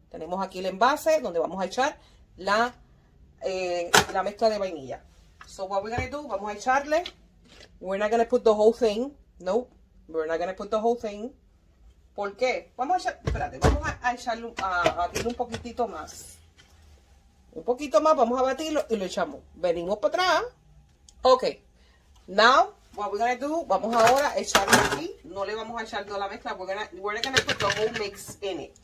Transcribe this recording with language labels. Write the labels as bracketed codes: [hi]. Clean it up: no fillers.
[es] Tenemos aquí el envase donde vamos a echar la mezcla de vainilla. [en] So what we're going to do, [es] vamos a echarle. [en] We're not going to put the whole thing. Nope. We're not going to put the whole thing. [es] ¿Por qué? Vamos a echarle un poquitito más. un poquito más, vamos a batirlo y lo echamos. Venimos para atrás. Ok. [en] Now, what we're going to do, [es] vamos ahora a echarlo aquí. No le vamos a echar toda la mezcla. [en] We're going to put the whole mix in it.